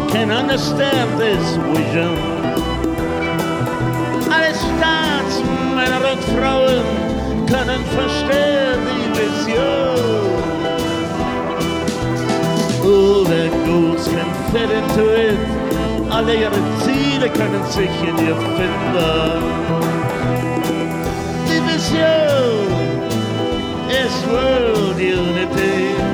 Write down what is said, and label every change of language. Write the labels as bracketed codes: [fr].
[en] Understand this vision. [de] Alle Staatsmänner und Frauen können verstehen die Vision. [en] All the goals can fit into it. [de] Alle ihre Ziele können sich in ihr finden. Die Vision ist World Unity.